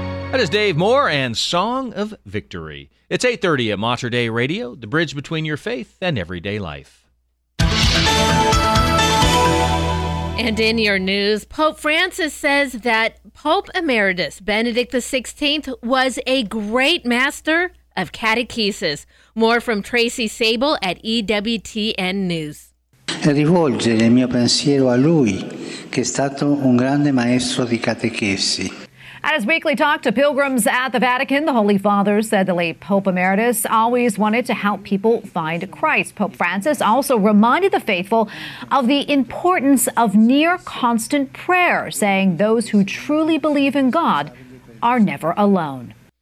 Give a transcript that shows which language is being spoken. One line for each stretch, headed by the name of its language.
English: That is Dave Moore and Song of Victory. It's 8:30 at Mater Dei Radio, the bridge between your faith and everyday life. And in your news, Pope Francis says that Pope Emeritus Benedict XVI was a great master of catechesis. More from Tracy Sable at EWTN News.
Italian: Rivolgere il mio pensiero a lui, che è stato un grande maestro di catechesi.
English: At his weekly talk to pilgrims at the Vatican, the Holy Father said the late Pope Emeritus always wanted to help people find Christ. Pope Francis also reminded the faithful of the importance of near constant prayer, saying those who truly believe in God are never alone.